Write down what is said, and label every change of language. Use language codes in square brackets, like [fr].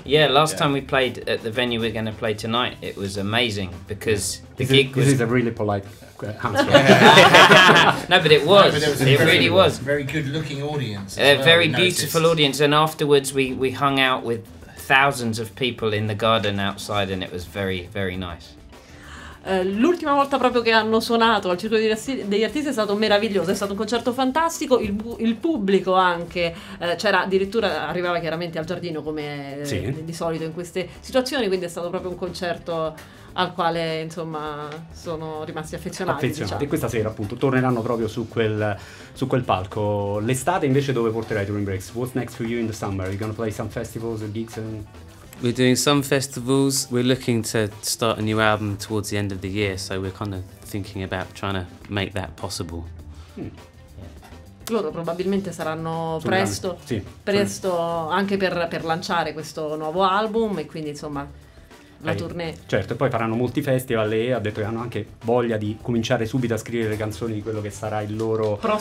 [en] Yeah, last time we played at the venue we're going to play tonight, it was amazing because the gig was... This is a really polite answer. No, but it was. It really was. Very good looking audience. A very beautiful audience. And afterwards we hung out with thousands of people in the garden outside and it was very, very nice. [it] L'ultima volta proprio che hanno suonato al circolo degli artisti è stato meraviglioso, è stato un concerto fantastico, il pubblico anche, c'era addirittura, arrivava chiaramente al giardino come sì. Di solito in queste situazioni, quindi è stato proprio un concerto al quale insomma sono rimasti affezionati. Diciamo. E questa sera appunto torneranno proprio su quel palco. L'estate invece dove porterai Turin Brakes? [en] What's next for you in the summer? Are you gonna play some festivals or gigs? We're doing some festivals. We're looking to start a new album towards the end of the year, so we're kind of thinking about trying to make that possible. [it] Loro probabilmente saranno presto anche per lanciare questo nuovo album e quindi insomma la tournée. Certo, e poi faranno molti festival e ha detto che hanno anche voglia di cominciare subito a scrivere le canzoni di quello che sarà il loro